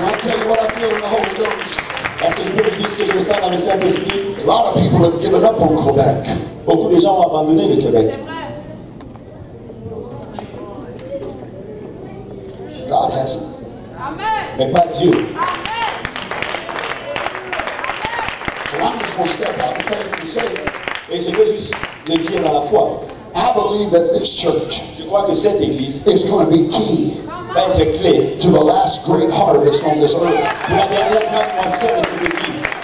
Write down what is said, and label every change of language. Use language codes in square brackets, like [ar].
[en] A lot of people have given up on Quebec. [fr] Beaucoup de gens ont abandonné le Québec. [en] God has. Amen. [fr] Mais pas Dieu. [en] Amen. And I'm just going to step out in faith and say. [fr] Et je veux juste le dire à la foi. [en] I believe that this church. [fr] Je crois que cette église [en] is going to be key. [fr] Va être clé [en] to the last great harvest on this earth. [fr] Pour la dernière grande moisson de cette église.